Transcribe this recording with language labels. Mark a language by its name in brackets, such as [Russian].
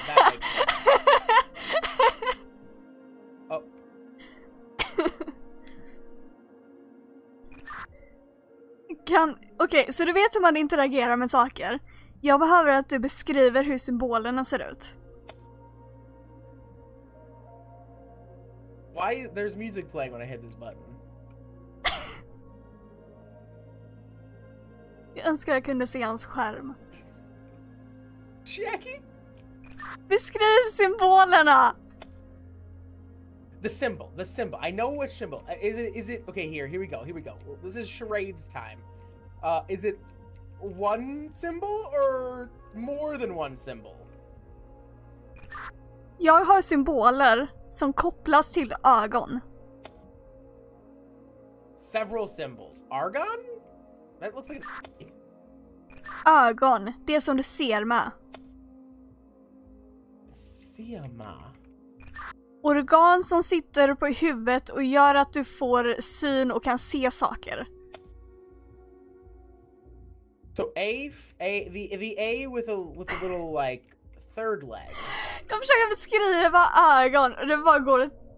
[English] that makes sense. Oh. [Swedish] Okej, så du vet hur man interagerar med saker. Jag behöver att du beskriver hur symbolerna ser ut. [English] Why there's music playing when I hit this button? [Swedish] Jag önskar jag kunde se hans skärm. Jackie? Beskriv symbolerna. [English] The symbol. I know which symbol. Is it? Okay, here we go. This is charades time. Is it one symbol or more than one symbol? [Swedish] Jag har symboler som kopplas till ögon. [English] Several symbols. Argon? That looks like [Swedish] ögon, det som du ser med. Siamma. Organ som sitter på huvudet och gör att du får syn och kan se saker. [English] So A, the A with a little like third leg. [Swedish] Jag försöker beskriva argon och det bara går.